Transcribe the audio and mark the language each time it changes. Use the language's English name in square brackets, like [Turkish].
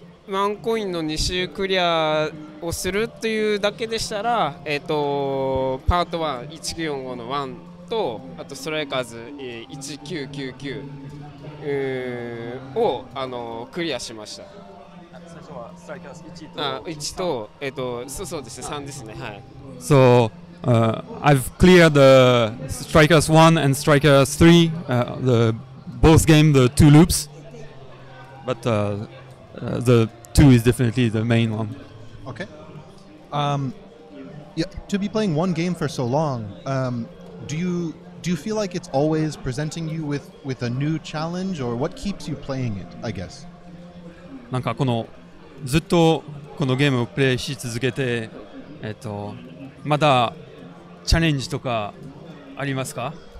[Japanese] ワンコインの2周クリアをするというだけでしたら、パート1、1945の1とあとストライカーズ1999をクリアしました。最初はスタイキャス1と 1と、そうですね、3ですね、はい。 [English] So,I've cleared Strikers 1 and Strikers 3, the both game, the two loops, but the 2 is definitely the main one. Okay. Yeah, to be playing one game for so long, do you feel like it's always presenting you with a new challenge, or what keeps you playing it, I guess? [Japanese] なんかこのずっとこのゲームをプレイし続けて、まだチャレンジとかありますか？